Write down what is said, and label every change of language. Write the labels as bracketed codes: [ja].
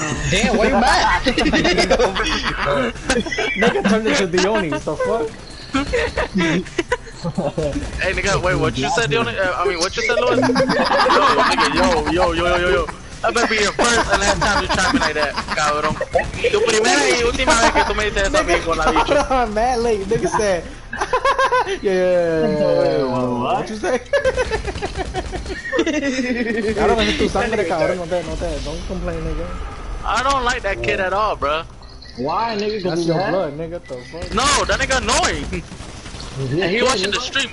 [en] Damn, why you mad? Nigga turned into Dione, what the fuck? Hey, nigga, wait, what you said, Dione? What you said, Louis? yo. I better be your first and last time you try me like that, cabrón. [es] Tu primera y última vez que tú me dices eso, amigo, la bicho. [en] I'm mad late, nigga said. I don't like that kid at all, bro. Why, nigga? That's your blood, nigga. The fuck? No, that nigga annoying. And he watching the stream.